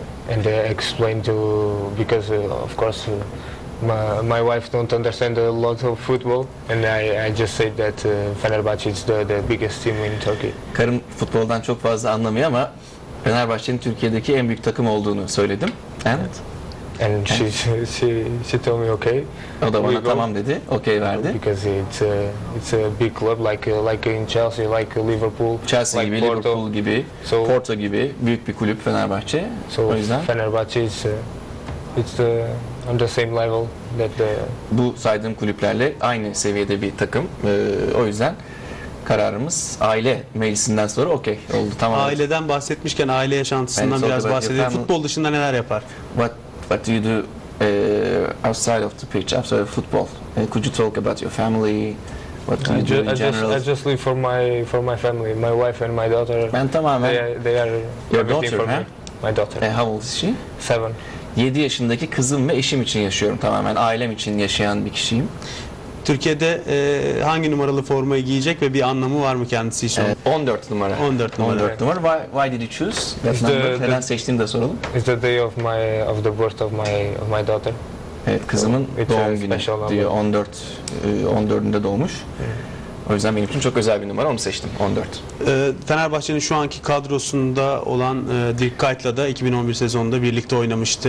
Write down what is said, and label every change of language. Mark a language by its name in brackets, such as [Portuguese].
[English] And explain to because of course my wife don't understand a lot of football and I just said that Fenerbahçe is the biggest team in Turkey. [Turkish] Karım futboldan çok fazla anlamıyor ama Fenerbahçe'nin Türkiye'deki en büyük takım olduğunu söyledim. Evet. [English] And she told me okay. [Turkish] O da bana tamam dedi, okay verdi. [English] Because it's a big club like in Chelsea, like Liverpool, Chelsea like [Turkish] gibi, Porto. Liverpool gibi, [English] so, [Turkish] Porto gibi büyük bir kulüp Fenerbahçe. [English] So [Turkish] o yüzden [English] Fenerbahçe it's on the same level that the [Turkish] bu saydığım kulüplerle aynı seviyede bir takım. O yüzden kararımız aile meclisinden sonra okey oldu, tamam. Aileden bahsetmişken aile yaşantısından biraz bahsedelim. Futbol dışında neler yapar? [English] What do you do outside of the pitch, after football? Could you talk about your family? What do you do in general? I just live for my family, my wife and my daughter. [Turkish] Ben tamamen. [English] They are your daughter, for me. My daughter. How old is she? 7. [Turkish] 7 yaşındaki kızım ve eşim için yaşıyorum tamamen. Ailem için yaşayan bir kişiyim. Türkiye'de hangi numaralı formayı giyecek ve bir anlamı var mı kendisi için? 14 numara. 14 numara. 14 numara. [English] Why did you choose that number? [Turkish] Neden seçtiğini de soralım. [English] It's the day of the birth of my daughter. [Turkish] Evet, kızımın doğum günü diyor. 14 14'ünde doğmuş. O yüzden benim için çok özel bir numara, onu seçtim. 14. Fenerbahçe'nin şu anki kadrosunda olan Dirk Kuyt'la da 2011 sezonunda birlikte oynamıştı.